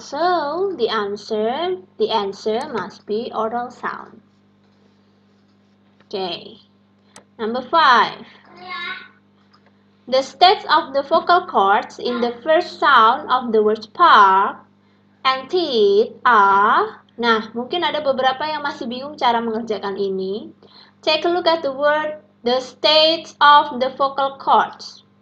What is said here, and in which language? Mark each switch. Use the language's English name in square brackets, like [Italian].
[English] So the answer must be oral sound. Okay. Number 5. The states of the vocal cords in the first sound of the word park and teeth are. [Indonesian] Nah, mungkin ada beberapa yang masih bingung cara mengerjakan ini. [English] Take a look at the word, the states of the vocal cords.